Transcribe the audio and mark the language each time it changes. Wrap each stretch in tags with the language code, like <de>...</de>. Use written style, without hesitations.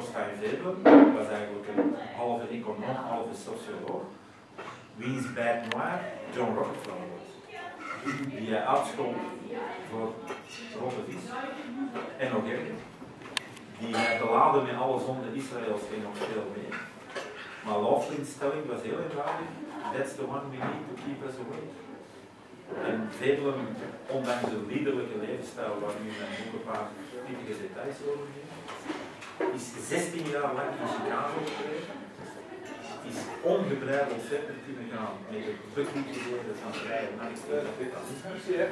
<nl>Torstein Veblen was eigenlijk een halve econoom, halve socioloog, wiens bête noire John Rockefeller was. Die hij uitschold voor rotte vis en nog erger. Die hij beladen met alle zonde Israëls en nog veel meer. Maar Loftin's stelling was heel eenvoudig.</nl> <en>That's the one we need to keep us away.</en> <nl>En Veblen, ondanks de liederlijke levensstijl waar nu mijn boek een paar pittige details over geeft, is 16 jaar lang in Chicago gebleven. Is ongebreideld verder kunnen gaan met het bekritiseren van vrije marktkapitalisme.</nl>